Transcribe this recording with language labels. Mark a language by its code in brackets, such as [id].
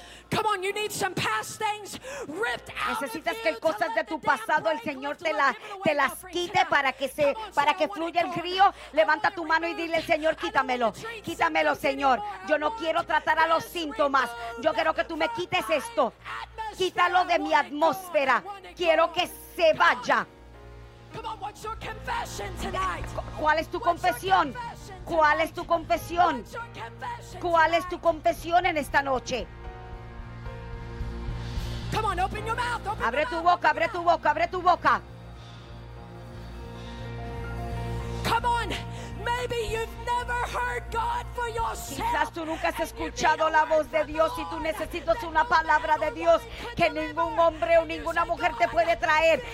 [en] Come on, you need some past things ripped out. [es] Necesitas que cosas de tu pasado el Señor te las quite para que fluya el río. Levanta tu mano y dile al Señor, quítamelo, Señor. Yo no quiero tratar a los síntomas. Yo quiero que tú me quites esto. Quítalo de mi atmósfera. Quiero que se vaya. [en] Come on, what's your confession tonight? [es] ¿Cuál es tu confesión? ¿Cuál es tu confesión? ¿Cuál es tu confesión en esta noche? [en] Come on, open your mouth. Open [es] abre [en] your [es] tu [en] mouth, [es] boca, abre [en] mouth. [es] Tu boca, abre tu boca. [en] Come on, maybe you've never heard God for yourself. [es] Quizás tú nunca has escuchado la voz de Dios y tú necesitas una palabra de Dios que ningún hombre o ninguna mujer te puede traer.